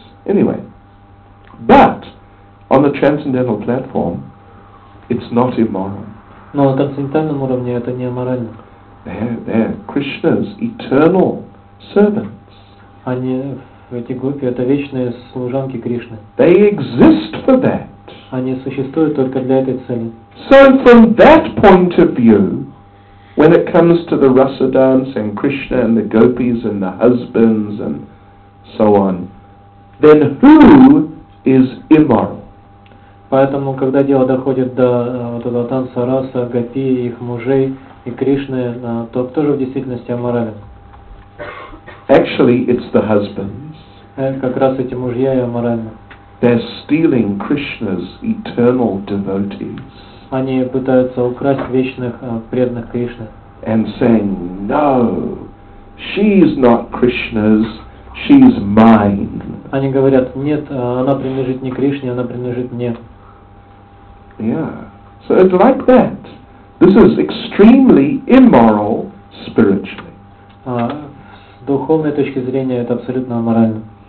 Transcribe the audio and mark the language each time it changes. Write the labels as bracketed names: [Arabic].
[English] Anyway, but on the transcendental platform, it's not immoral. [Russian] Но на трансцендентальном уровне это не аморально. [English] They're Krishna's eternal servants. [Russian] Они эти гопи — это вечные служанки Кришны. [English] They exist for that. [Russian] Они существуют только для этой цели. [English] So from that point of view, when it comes to the rasa dance and Krishna and the gopis and the husbands and so on, then who is immoral? [Russian] Поэтому, когда дело доходит до вот этого танца раса, гопи, их мужей и Кришны, то кто же в действительности аморален? [English] Actually, it's the husband. [Russian] Как раз эти мужья и аморальны. [English] They're stealing Krishna's eternal devotees. [Russian] Они пытаются украсть вечных преданных Кришны. [English] And saying, no, she's not Krishna's, she's mine. [Russian] Они говорят, нет, она принадлежит не Кришне, она принадлежит мне. [English] Yeah, so it's like that. This is extremely immoral spiritually. [Russian] С духовной точки зрения это абсолютно аморально.